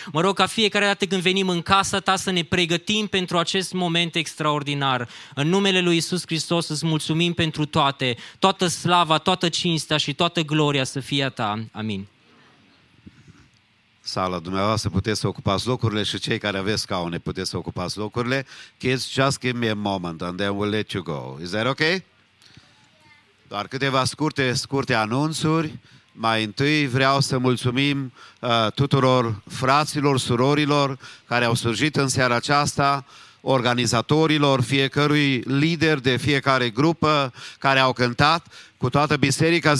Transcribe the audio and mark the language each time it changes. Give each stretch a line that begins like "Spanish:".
Romanian: Mă rog ca fiecare dată când venim în casa Ta să ne pregătim pentru acest moment extraordinar. În numele Lui Iisus Hristos, îți mulțumim pentru toate. Toată slava, toată cinstea și toată gloria să fie a Ta. Amin. Sala dumneavoastră, puteți să ocupați locurile și cei care aveți scaune, puteți să ocupați locurile.
English: Kids, just give me a moment and then we'll let you go. Is that okay?
Romanian: Doar câteva scurte anunțuri. Mai întâi vreau să mulțumim tuturor fraților, surorilor care au surgit în seara aceasta, organizatorilor, fiecărui lider de fiecare grupă care au cântat cu toată biserica.